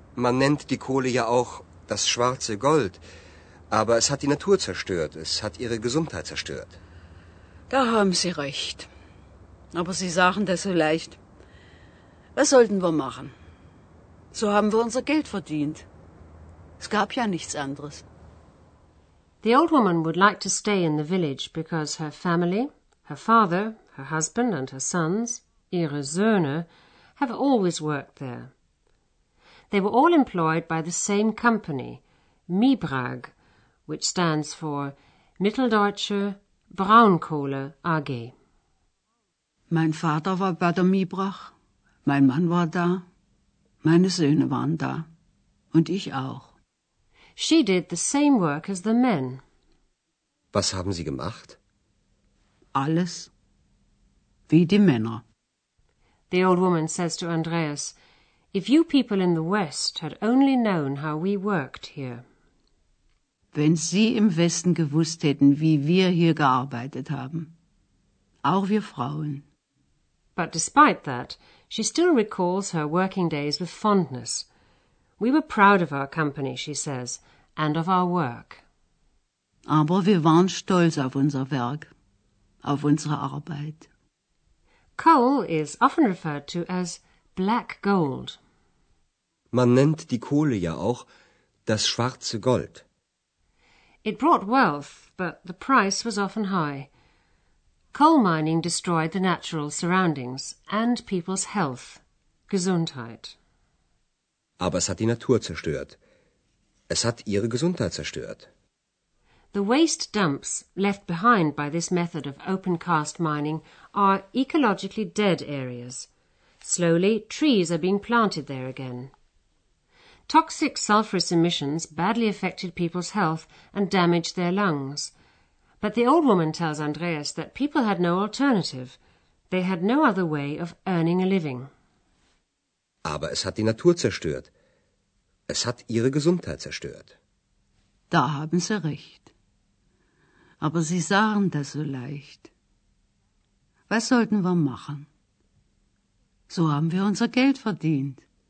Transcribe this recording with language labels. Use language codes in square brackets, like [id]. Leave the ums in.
[de] Man nennt die Kohle ja auch das schwarze Gold, aber es hat die Natur zerstört, es hat ihre Gesundheit zerstört. Da haben Sie recht. Aber Sie sagen das so leicht. Was sollten wir machen? So haben wir unser Geld verdient. Es gab ja nichts anderes. [en] The old woman would like to stay in the village because her family, her father, her husband and her sons, [de] ihre Söhne, [en] have always worked there. They were all employed by the same company, Mibrag, which stands for Mitteldeutsche Braunkohle AG. [de] Mein Vater war bei der Miebrach, mein Mann war da, meine Söhne waren da und ich auch. [en] She did the same work as the men. [de] Was haben sie gemacht? Alles wie die Männer. [en] The old woman says to Andreas, if you people in the West had only known how we worked here [de] wenn Sie im Westen gewusst hätten, wie wir hier gearbeitet haben. Auch wir Frauen. [en] But despite that, she still recalls her working days with fondness. We were proud of our company, she says, and of our work. [de] Aber wir waren stolz auf unser Werk, auf unsere Arbeit. [en] Coal is often referred to as black gold. [de] Man nennt die Kohle ja auch das schwarze Gold. [en] It brought wealth, but the price was often high. Coal mining destroyed the natural surroundings and people's health, Gesundheit. [de] Aber es hat die Natur zerstört. Es hat ihre Gesundheit zerstört. [en] The waste dumps left behind by this method of open cast mining are ecologically dead areas. Slowly, trees are being planted there again. Toxic sulphurous emissions badly affected people's health and damaged their lungs. But the old woman tells Andreas that people had no alternative. They had no other way of earning a living. [de] Aber es hat die Natur zerstört. Es hat ihre Gesundheit zerstört. Da haben sie recht. Aber sie sahen das so leicht. Was sollten wir machen? So haben wir unser Geld verdient.